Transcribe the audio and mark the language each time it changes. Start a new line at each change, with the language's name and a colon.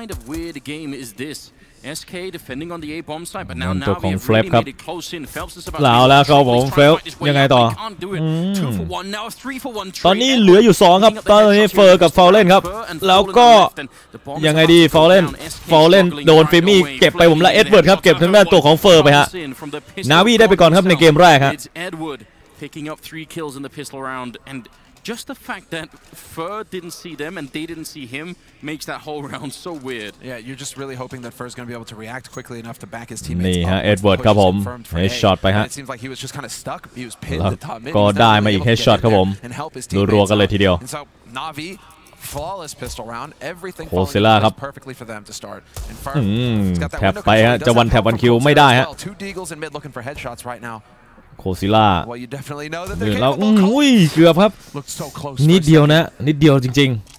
English: kind of weird game is this SK defending on the A bomb site but now Navi have really made it close in Phelps is about to try to fight this way
Thai: ยังไงต่อ2
English: for 1 now 3 for 1
Thai: ตอนนี้เหลืออยู่2ครับตอนนี้เฟอร์กับฟาวเล่นครับแล้วก็ยังไงดีฟาวเล่นโดนฟิมี่เก็บไปผมและเอ็ดเวิร์ดครับเก็บทั้งด้านตัวของเฟอร์ไปฮะนาวีได้ไปก่อนครับในเกมแรกฮะ
English: It's Edward picking up 3 kills in the pistol round andJust the fact that Fur didn't see them and they didn't see him makes that whole round so weird. Yeah, you're just really hoping that Fur's going to be able to react quickly enough to back his teammates.
Thai: นี่ฮะ Edward ครับผม headshot ไปฮะ
English: It seems like he was just kind of stuck. He was pinned at top mid.
Thai: ก็ได้มาอีก headshot ครับผมดูรัวกันเลยทีเดียว
English: And so Navi flawless pistol round. Everything falling just perfectly for them to start. And
Thai: Fur tap ไปฮะจะวันแทบวันคิวไม่ได้ฮะ
English: Two deagles in mid looking for headshots right now.
Thai: โคซิล่าเราอุ้ยเกือบครับนิดเดียวนะนิดเดียวจริง